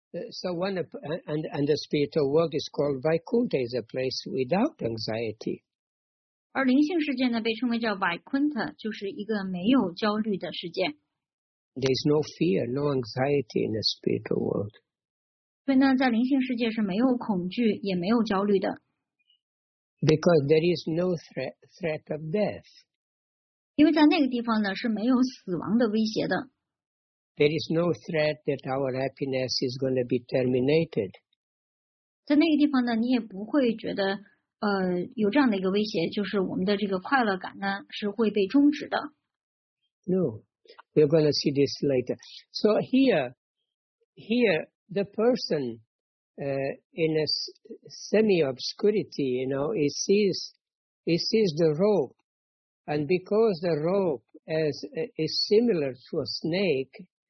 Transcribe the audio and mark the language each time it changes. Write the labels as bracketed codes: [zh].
[en] So when the spiritual world is called Vaikuntha, is a place without anxiety. [zh] 而灵性世界呢，被称为叫 Vaikuntha， 就是一个没有焦虑的世界。 [en] There is no fear, no anxiety in the spiritual world. [zh] 所以呢，在灵性世界是没有恐惧，也没有焦虑的。 [en] Because there is no threat of death. [zh] 因为在那个地方呢，是没有死亡的威胁的。 [en] There is no threat that our happiness is going to be terminated. [zh] 在那个地方呢，你也不会觉得有这样的一个威胁，就是我们的这个快乐感呢是会被终止的。 [en] No, we're going to see this later. So here, the person in a semi-obscurity, you know, he sees the rope, and because the rope is similar to a snake.